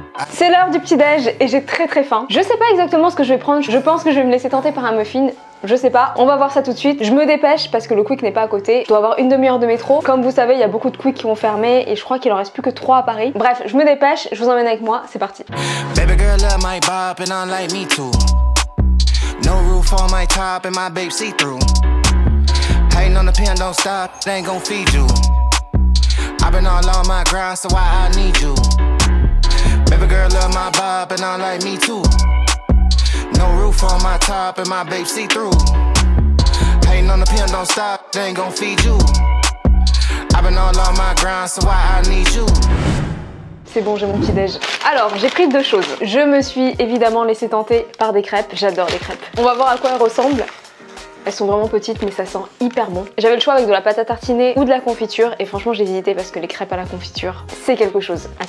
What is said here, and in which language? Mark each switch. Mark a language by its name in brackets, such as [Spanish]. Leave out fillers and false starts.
[French] C'est l'heure du petit-déj et j'ai très faim. Je sais pas exactement ce que je vais prendre, je pense que je vais me laisser tenter par un muffin. Je sais pas, on va voir ça tout de suite. Je me dépêche parce que le quick n'est pas à côté. Je dois avoir une demi-heure de métro. Comme vous savez, il y a beaucoup de quicks qui vont fermer et je crois qu'il en reste plus que 3 à Paris. Bref, je me dépêche, je vous emmène avec moi, c'est parti. [English] Baby girl, love my bop and I like me too. No roof on my top and my babe see through. Hating on the pen, don't stop, it ain't gon' feed you. I've been all on my grind, so why I need you? Baby girl, love my bob, and I like me too. No roof on my top, and my babe see through. Hating on the pen, don't stop, it ain't gon' feed you. I've been all on my grind, so why I need you? [French] C'est bon, j'ai mon petit déj. Alors, j'ai pris 2 choses. Je me suis évidemment laissé tenter par des crêpes. J'adore les crêpes. On va voir à quoi elles ressemblent. Elles sont vraiment petites, mais ça sent hyper bon. J'avais le choix avec de la pâte à tartiner ou de la confiture, et franchement, j'ai hésité parce que les crêpes à la confiture, c'est quelque chose.